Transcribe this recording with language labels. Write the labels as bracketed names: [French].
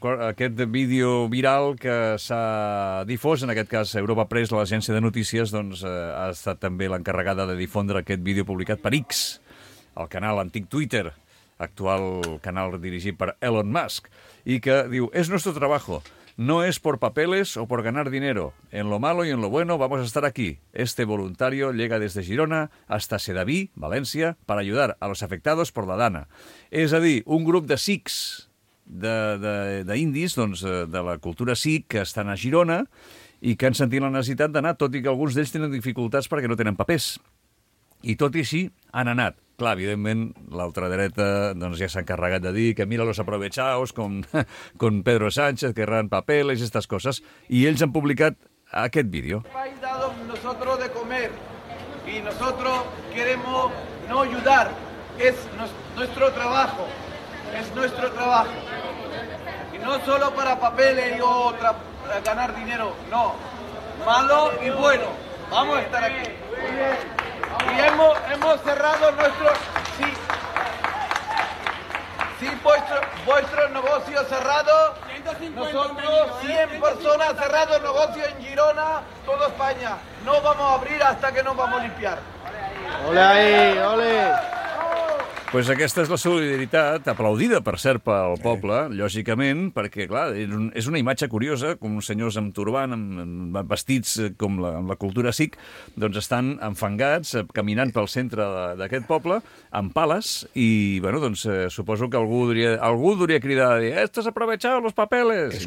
[Catalan] Aquest vídeo viral que s'ha difós, en aquest cas Europa Press, l'agència de notícies, doncs, ha estat també l'encarregada de difondre aquest vídeo publicat per X, el canal antic Twitter, actual canal dirigit per Elon Musk, i que diu, [Spanish] es nuestro trabajo, no es por papeles o por ganar dinero. En lo malo y en lo bueno vamos a estar aquí. Este voluntario llega desde Girona hasta Sedaví, València, para ayudar a los afectados por la dana. [Catalan] És a dir, un grup de sikhs, d'indis, doncs, de la cultura sikh, que estan a Girona i que han sentit la necessitat d'anar, tot i que alguns d'ells tenen dificultats perquè no tenen papers. I tot i així han anat. Clar, evidentment, l'ultradreta doncs, ja s'ha encarregat de dir que [Spanish] mira los aprovechaos con Pedro Sánchez, que erran papeles, estas cosas. [Catalan] I ells han publicat aquest vídeo. [Spanish] Hemos dado nosotros de comer y nosotros queremos no ayudar. Es nuestro trabajo. Es nuestro trabajo. Y no solo para papeles y otra, para ganar dinero, no. Malo y bueno. Vamos a estar aquí. Muy bien. Y hemos cerrado nuestro... Sí, sí, vuestro negocio cerrado. Sí, Nosotros, 100 personas, han cerrado el negocio en Girona, toda España. No vamos a abrir hasta que nos vamos a limpiar. ¡Ole ahí, ole! [Catalan] Pues aquesta és la solidaritat, aplaudida, per cert, pel poble, lògicament, perquè, clar, és una imatge curiosa, com uns senyors amb turban, amb vestits com la cultura sikh, doncs estan enfangats, caminant pel centre d'aquest poble, amb pales, i, bueno, doncs suposo que algú diria cridar, [Spanish] «Estos aprovechados los papeles!»